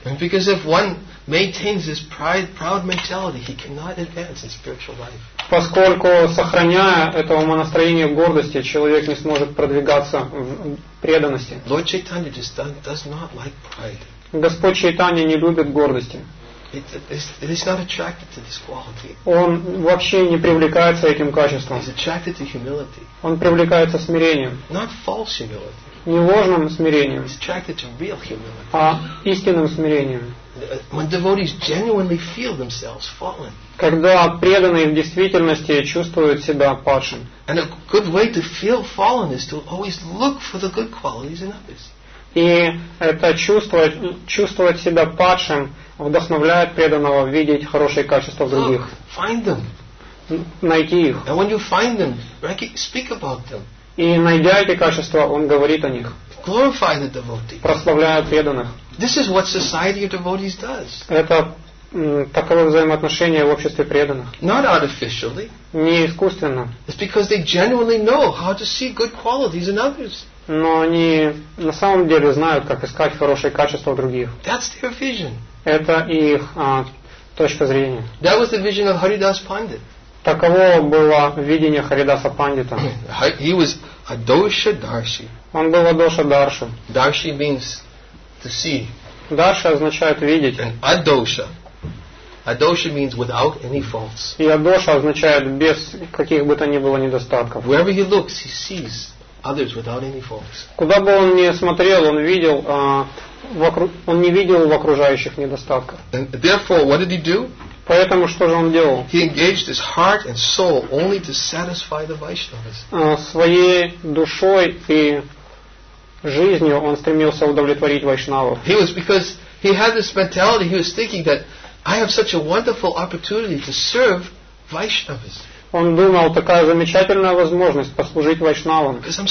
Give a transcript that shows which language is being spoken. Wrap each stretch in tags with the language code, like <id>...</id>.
<en>And because if one maintains this pride, proud mentality, he cannot advance in spiritual life.</en> <ru>Поскольку сохраняя это умонастроение гордости, человек не сможет продвигаться в преданности.</ru> <en>Lord Chaitanya does not like pride.</en> <ru>Господь Чайтанья не любит гордости.</ru> <en>He's not attracted to this quality.</en> <ru>Он вообще не привлекается этим качеством.</ru> <en>He's attracted to humility.</en> <ru>Он привлекается смирением.</ru> <en>Not false humility.</en> <ru>Не ложным смирением.</ru> <en>He's attracted to real humility.</en> <ru>А истинным смирением.</ru> <en>When devotees genuinely feel themselves fallen.</en> <ru>Когда преданные в действительности чувствуют себя падшим.</ru> <en>And a good way to feel fallen is to always look for the good qualities in others.</en> <ru>И это чувствовать себя падшим вдохновляет преданного видеть хорошие качества в других.</ru> <en>Look, find them.</en> <ru>Найти их.</ru> <en>And when you find them, speak about them.</en> <ru>И найдя эти качества, он говорит о них.</ru> <en>Glorify the devotee.</en> <ru>Прославляя преданных.</ru> <en>This is what society of devotees does.</en> <ru>Это таковы взаимоотношения в обществе преданных.</ru> <en>Not artificially.</en> <ru>Не искусственно.</ru> <en>It's because they genuinely know how to see good qualities in others.</en> <ru>Но они на самом деле знают, как искать хорошие качества в других.</ru> <en>That's their vision.</en> <ru>Это их точка зрения.</ru> <en>That was the vision of Haridas Pandit.</en> <ru>Таково было видение Харидаса Пандита.</ru> <en>He was Adosha Darshi.</en> <ru>Он был Adosha Darshi.</ru> <en>Darshi means to see.</en> <ru>Darshi означает видеть.</ru> <en>And Adosha. Adosha means without any faults.</en> <ru>И Adosha означает без каких бы то ни было недостатков.</ru> <en>Wherever he looks, he sees. Others without any faults.</en> <ru>Куда бы он ни смотрел, он видел, он не видел в окружающих недостатков.</ru> <en>And therefore, what did he do?</en> <ru>Поэтому что же он делал?</ru> <en>He engaged his heart and soul only to satisfy the Vaishnavas.</en> <ru>Своей душой и жизнью он стремился удовлетворить вайшнавов.</ru> <en>He was because he had this mentality. He was thinking that I have such a wonderful opportunity to serve Vaishnavas.</en> <ru>Он думал, такая замечательная возможность послужить вайшнавам.</ru>